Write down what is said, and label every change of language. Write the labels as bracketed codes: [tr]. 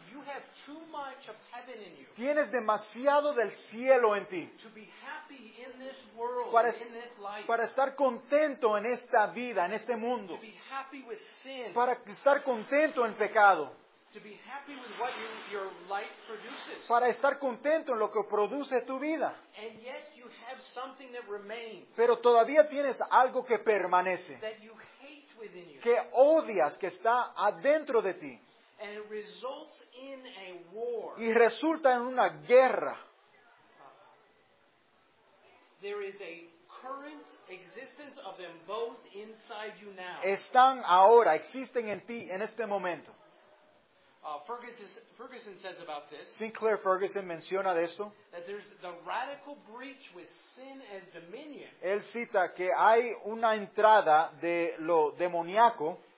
[en] You have too much of heaven in you. [es] Tienes demasiado del cielo en ti. [en] To be happy in this world, in this life. [es] Para estar contento en esta vida, en este mundo. [en] To be happy with sin. [es] Para estar contento en pecado. [en] To be happy with what your life produces. [es] Para estar contento en lo que produce tu vida. [en] And yet you have something that remains. [es] Pero todavía tienes algo que permanece. [en] That you hate within you. [es] Que odias, que está adentro de ti. [en] And it results in a war. [es] Y resulta en una guerra. [en] There is a current existence of them both inside you now. [es] Están ahora, existen en ti en este momento. [en] Ferguson says about this. [es] Sinclair Ferguson menciona de esto. [en] That there's the radical breach with sin as dominion. [es] Él cita que hay una entrada de lo demoníaco.